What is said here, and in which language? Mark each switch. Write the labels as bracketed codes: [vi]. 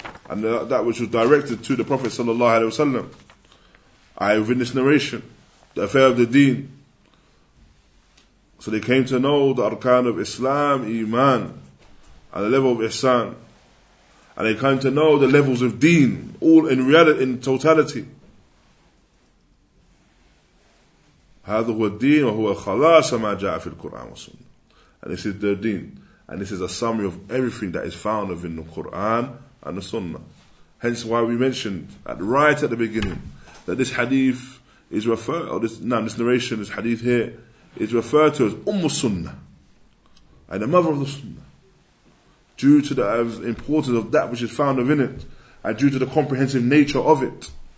[en] and that which was directed to the Prophet sallallahu alaihi wasallam. I within this narration, the affair of the deen. So they came to know the arkan of Islam, Iman, and the level of Ihsan. And they came to know the levels of deen, all in reality, in totality. [ar] هذا هو الدين وهو خلاص ما جاء في القرآن والسنة. [en] And this is their deen. And this is a summary of everything that is found within the Quran and the Sunnah. Hence why we mentioned right at the beginning that this hadith is referred, or this narration, this hadith here, is referred to as Umm Sunnah, and the mother of the Sunnah, due to the importance of that which is found within it, and due to the comprehensive nature of it.